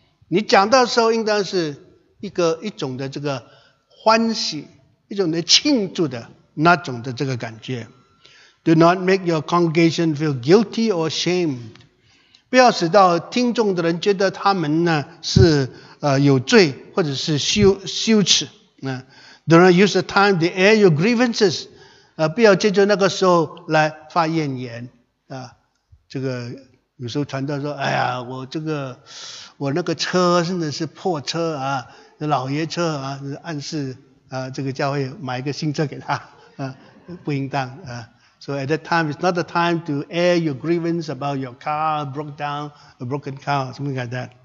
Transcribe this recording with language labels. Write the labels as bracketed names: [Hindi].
[Chinese] 你讲道的时候应当是 一种的这个欢喜，一种的庆祝的那种的这个感觉。 [English] Do not make your congregation feel guilty or ashamed. [Chinese] 不要使到听众的人觉得他们呢是有罪或者是羞耻。 [English] Do not use the time to air your grievances. [Chinese] 不要借助那个时候来发怨言。这个有时候传道说，哎呀，我那个车真的是破车啊，老爷车啊，暗示这个教会买一个新车给他，不应当。 [English] So at that time, it's not the time to air your grievance about your car broke down, a broken car, something like that.